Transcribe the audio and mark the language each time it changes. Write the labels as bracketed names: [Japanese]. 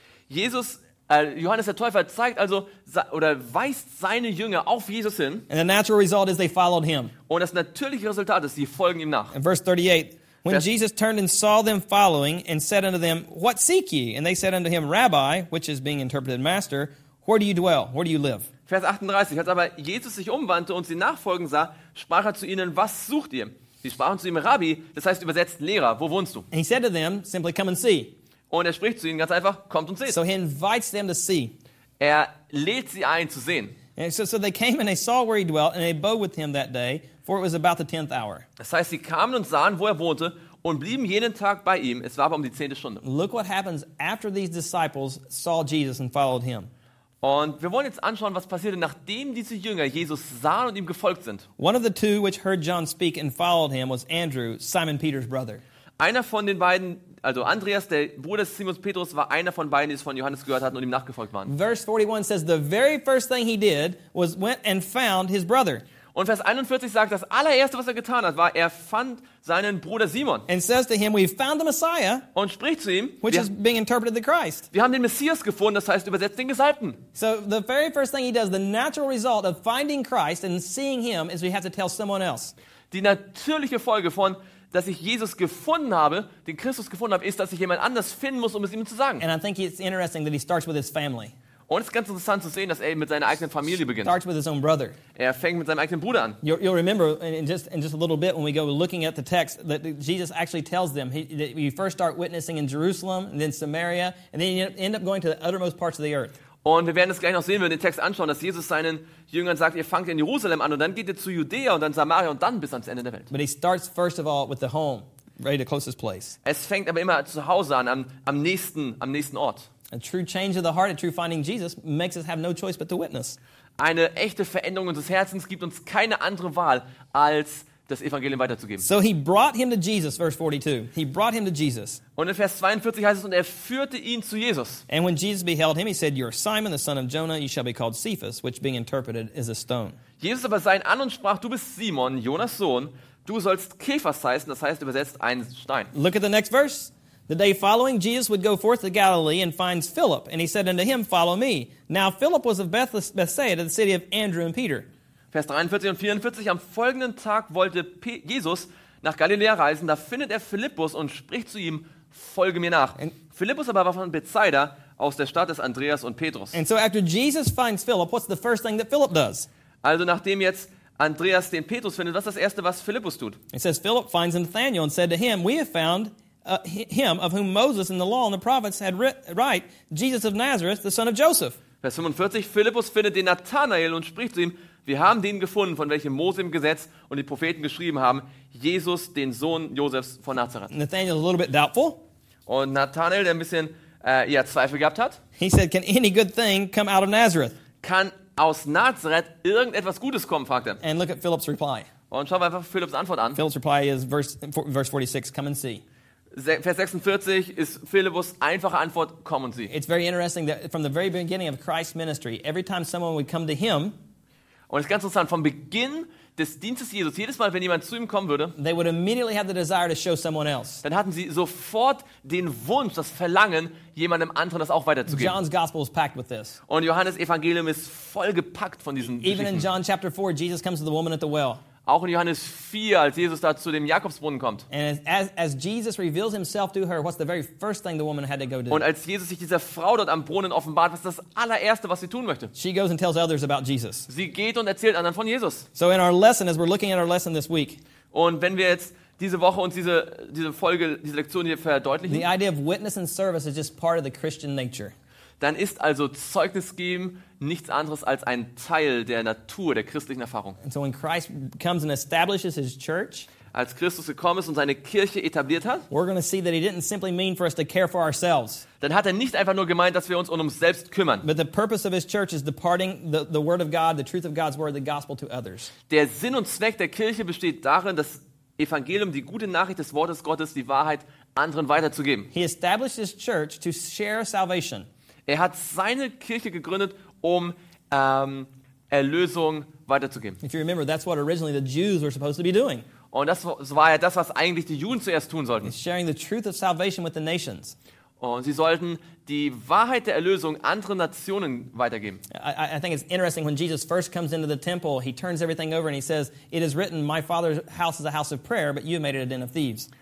[German] Johannes der Täufer zeigt also oder weist seine Jünger auf Jesus hin. [English] And the natural result is they followed him. [German] Und das natürliche Resultat ist, sie folgen ihm nach. In Vers 38, [English] when Jesus turned and saw them following and said unto them, what seek ye? And they said unto him, Rabbi, which is being interpreted Master, where do you dwell? Where do you live? [German] Vers 38, als aber Jesus sich umwandte und sie nachfolgen sah, sprach er zu ihnen, was sucht ihr? Sie sprachen zu ihm, Rabbi, das heißt übersetzt Lehrer, wo wohnst du? [English] And he said to them, simply come and see. [German] Und er spricht zu ihnen ganz einfach, kommt und seht. [English] So he invites them to see. [German] Er lädt sie ein zu sehen. [English] So they came and they saw where he dwelt and they abode with him that day, for it was about the 10th hour. [German] Das heißt, sie kamen und sahen, wo er wohnte und blieben jenen Tag bei ihm. Es war aber um die 10. Stunde. [English] Look what happens after these disciples saw Jesus and followed him. [German] Und wir wollen jetzt anschauen, was passierte, nachdem diese Jünger Jesus sahen und ihm gefolgt sind. [English] One of the two which heard John speak and followed him was Andrew, Simon Peter's brother. [German] Einer von den beiden, also Andreas, der Bruder des Simons Petrus, war einer von beiden, die es von Johannes gehört hatten und ihm nachgefolgt waren. [English] Verse 41 says, the very first thing he did was went and found his brother. [German] Und Vers 41 sagt, das allererste, was er getan hat, war, er fand seinen Bruder Simon. [English] And says to him, we found the Messiah, [German] und spricht zu ihm, [English] which is being interpreted the Christ. [German] Wir haben den Messias gefunden, das heißt übersetzt den Gesalbten. [English] So the very first thing he does, the natural result of finding Christ and seeing him, is we have to tell someone else. [German] Die natürliche Folge von, dass ich Jesus gefunden habe, den Christus gefunden habe, ist, dass ich jemand anders finden muss, um es ihm zu sagen. [English] And I think it's interesting that he starts with his family. [German] Und es ist ganz interessant zu sehen, dass er mit seiner eigenen Familie beginnt. [English] Starts with his own brother. [German] Er fängt mit seinem eigenen Bruder an. [English] You'll remember in just a little bit when we go looking at the text that Jesus actually tells them that you first start witnessing in Jerusalem and then Samaria and then you end up going to the uttermost parts of the earth. [German] Und wir werden es gleich noch sehen, wenn wir den Text anschauen, dass Jesus seinen Jüngern sagt, ihr fangt in Jerusalem an und dann geht ihr zu Judäa und dann Samaria und dann bis ans Ende der Welt. [English] But he starts first of all with the home, right, the closest place. [German] Es fängt aber immer zu Hause an, am nächsten Ort. [English] A true change of the heart, a true finding Jesus, makes us have no choice but to witness. [German] Eine echte Veränderung unseres Herzens gibt uns keine andere Wahl, als das Evangelium weiterzugeben. [English] So he brought him to Jesus, verse 42. He brought him to Jesus. [German] Und in Vers 42 heißt es, und er führte ihn zu Jesus. [English] And when Jesus beheld him, he said, you are Simon, the son of Jonah, you shall be called Cephas, which being interpreted is a stone. [German] Jesus aber sah ihn an und sprach, du bist Simon, Jonas Sohn, du sollst Cephas heißen, das heißt übersetzt ein Stein. [English] Look at the next verse. The day following, Jesus would go forth to Galilee and finds Philip, and he said unto him, follow me. Now Philip was of Bethsaida, the city of Andrew and Peter. [German] Vers 43 und 44, am folgenden Tag wollte Jesus nach Galiläa reisen, da findet er Philippus und spricht zu ihm, folge mir nach. Philippus aber war von Bethsaida, aus der Stadt des Andreas und Petrus. [English] And so after Jesus finds Philip, what's the first thing that Philip does? [German] Also nachdem jetzt Andreas den Petrus findet, was ist das Erste, was Philippus tut? [English] It says, Philip finds Nathanael and said to him, we have found him of whom Moses in the law and the prophets had write, Jesus of Nazareth, the son of Joseph. [German] Vers 45, Philippus findet den Nathanael und spricht zu ihm, wir haben den gefunden, von welchem Mose im Gesetz und die Propheten geschrieben haben, Jesus, den Sohn Josefs von Nazareth. [English] Nathanael is a little bit doubtful. [German] Und Nathanael, der ein bisschen Zweifel gehabt hat. [English] He said, can any good thing come out of Nazareth? [German] Kann aus Nazareth irgendetwas Gutes kommen, fragt er. [English] And look at Philip's reply. [German] Und schau einfach Philips Antwort an. [English] Philip's reply is verse 46, come and see. [German] Vers 46 ist Philippus einfache Antwort, komm und sieh. [English] It's very interesting that from the very beginning of Christ's ministry, every time someone would come to him, [German] und es ist ganz interessant, vom Beginn des Dienstes Jesus, jedes Mal, wenn jemand zu ihm kommen würde, [English] they would immediately have the desire to show someone else. [German] Dann hatten sie sofort den Wunsch, das Verlangen, jemandem anderen das auch weiterzugeben. [English] John's gospel is packed with this. [German] Und Johannes' Evangelium ist voll gepackt von diesen Geschichten. [English] Even in John chapter 4, Jesus comes to the woman at the well. [German] Auch in Johannes 4, als Jesus da zu dem Jakobsbrunnen kommt. [English] And as Jesus reveals himself to her, what's the very first thing the woman had to go do? [German] Und als Jesus sich dieser Frau dort am Brunnen offenbart, was ist das allererste, was sie tun möchte? [English] She goes and tells others about Jesus. [German] Sie geht und erzählt anderen von Jesus. [English] So in our lesson, as we're looking at our lesson this week. [German] Und wenn wir jetzt diese Woche uns diese Folge, diese Lektion hier verdeutlichen. [English] The idea of witness and service is just part of the Christian nature. [German] Dann ist also Zeugnis geben nichts anderes als ein Teil der Natur, der christlichen Erfahrung. [English] And so when Christ comes and establishes his church, [German] als Christus gekommen ist und seine Kirche etabliert hat, [English] we're going to see that he didn't simply mean for us to care for ourselves. [German] Dann hat er nicht einfach nur gemeint, dass wir uns um uns selbst kümmern. [English] But the purpose of his church is departing the word of God, the truth of God's word, the gospel to others. [German] Der Sinn und Zweck der Kirche besteht darin, das Evangelium, die gute Nachricht des Wortes Gottes, die Wahrheit anderen weiterzugeben. [English] He established his church to share salvation. [German] Er hat seine Kirche gegründet, um Erlösung weiterzugeben. [English] If you remember, that's what originally the Jews were supposed to be doing. [German] Und das war ja das, was eigentlich die Juden zuerst tun sollten. [English] It's sharing the truth of salvation with the nations. [German] Und sie sollten die Wahrheit der Erlösung anderen Nationen weitergeben. [English] I think it's interesting when Jesus first comes into the temple, he turns everything over and he says, "It is written, my Father's house is a house of prayer, but you made it a den of thieves."